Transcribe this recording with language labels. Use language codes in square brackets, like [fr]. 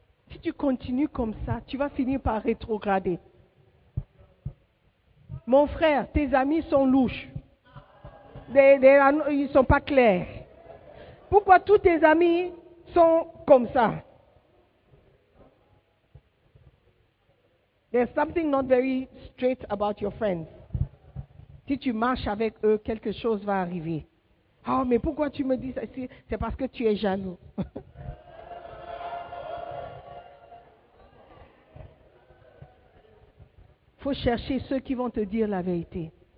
[fr] Si tu continues comme ça, tu vas finir par rétrograder. Mon frère, tes amis sont louches. Ils ne sont pas clairs. Pourquoi tous tes amis sont comme ça? [en] There's something not very straight about your friends. [fr] Si tu marches avec eux, quelque chose va arriver. Oh, mais pourquoi tu me dis ça? C'est parce que tu es jaloux. Il faut chercher ceux qui vont te dire la vérité.